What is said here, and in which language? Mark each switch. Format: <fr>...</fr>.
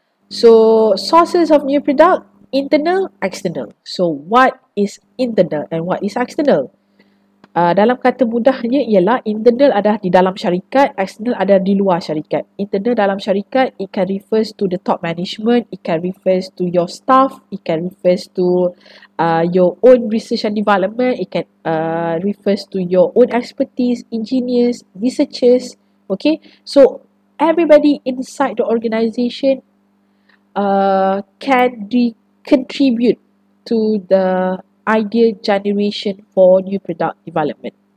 <en>So, sources of new product, internal, external. So, what is internal and what is external?</en> <ms>Dalam kata mudahnya ialah internal adalah di dalam syarikat, external adalah di luar syarikat.</ms> <en>Internal</en> <ms>dalam syarikat,</ms> <en>it can refers to the top management, it can refers to your staff, it can refers to your own research and development, it can refers to your own expertise, engineers, researchers. Okay, so everybody inside the organization can contribute to the idea generation for new product development.</en>